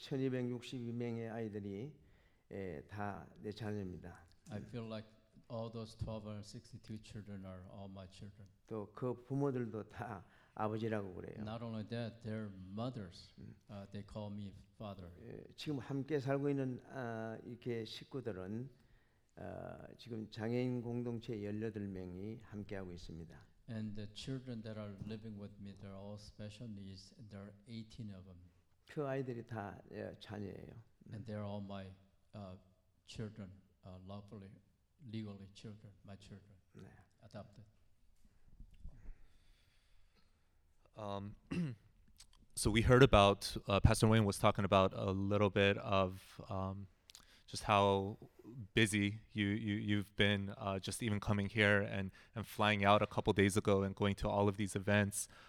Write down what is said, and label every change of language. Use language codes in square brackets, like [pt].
[ko] 1,262명의 아이들이 다 내 자녀입니다. [en] I feel like all those 1,262 children are all my children. [ko] 또 그 부모들도 다 아버지라고 그래요. [en] Not only that, their mothers, they call me father. [ko] 지금 함께 살고 있는 이렇게 식구들은 지금 장애인 공동체 18명이 함께 하고 있습니다. [en] And the children that are living with me, they're all special needs. There are 18 of them. [ko] 그 아이들이 다 자녀예요. [en] And they're all my children, lawfully, legally children, my children, adopted. So we heard about, Pastor Wayne was talking about a little bit of just how busy you've been just even coming here and flying out a couple days ago and going to all of these events.